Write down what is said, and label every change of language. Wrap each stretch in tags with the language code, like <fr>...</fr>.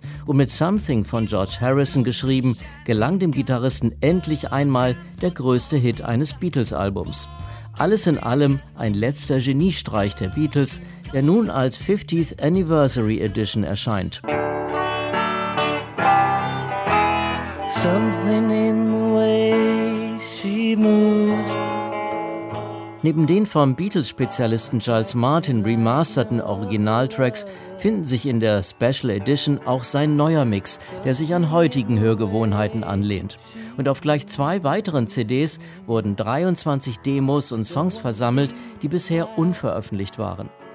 <de>Und mit Something von George Harrison geschrieben, gelang dem Gitarristen endlich einmal der größte Hit eines Beatles-Albums. Alles in allem ein letzter Geniestreich der Beatles, der nun als 50th Anniversary Edition erscheint.</de> <en>Something in the way she moves.</en> <de>Neben den vom Beatles-Spezialisten Giles Martin remasterten Originaltracks finden sich in der Special Edition auch sein neuer Mix, der sich an heutigen Hörgewohnheiten anlehnt. Und auf gleich 2 weiteren CDs wurden 23 Demos und Songs versammelt, die bisher unveröffentlicht waren.</de>